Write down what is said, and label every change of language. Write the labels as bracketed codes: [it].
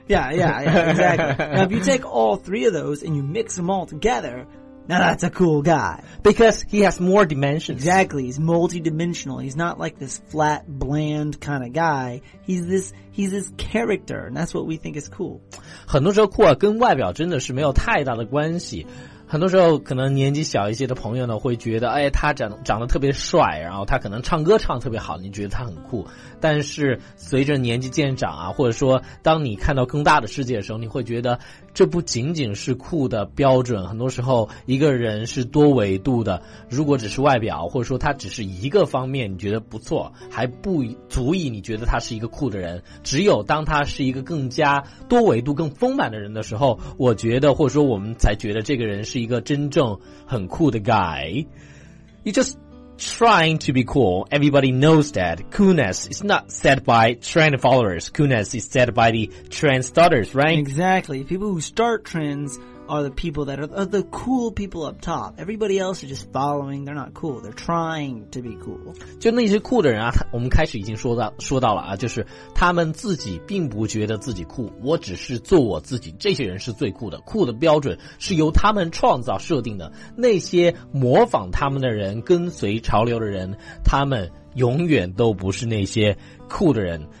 [en] Yeah, exactly. Now, if you take all three of those and you mix them all together, now that's a cool guy. Because he has more dimensions. Exactly. He's multidimensional. He's not like this flat, bland kind of guy. He's this character, and that's what we think is cool. [zh] 很多时候酷啊，跟外表真的是没有太大的关系。很多时候可能年纪小一些的朋友呢会觉得哎他长得特别帅，然后他可能唱歌唱得特别好，你觉得他很酷。但是随着年纪渐长啊，或者说当你看到更大的世界的时候，你会觉得这不仅仅是酷的标准。很多时候一个人是多维度的，如果只是外表或者说他只是一个方面你觉得不错，还不足以你觉得他是一个酷的人。只有当他是一个更加多维度更丰满的人的时候，我觉得或者说我们才觉得这个人是一个真正很酷的 guy. [en] You're just trying to be cool. Everybody knows that coolness is not set by trend followers. Coolness is set by the trend starters, right? Exactly. People who start trends are the people that are the cool people up top. Everybody else are just following. They're not cool. They're trying to be cool. [zh] 就那些酷的人啊，我们开始已经说到了啊，就是他们自己并不觉得自己酷。我只是做我自己。这些人是最酷的。酷的标准是由他们创造设定的。那些模仿他们的人，跟随潮流的人，他们永远都不是那些酷的人。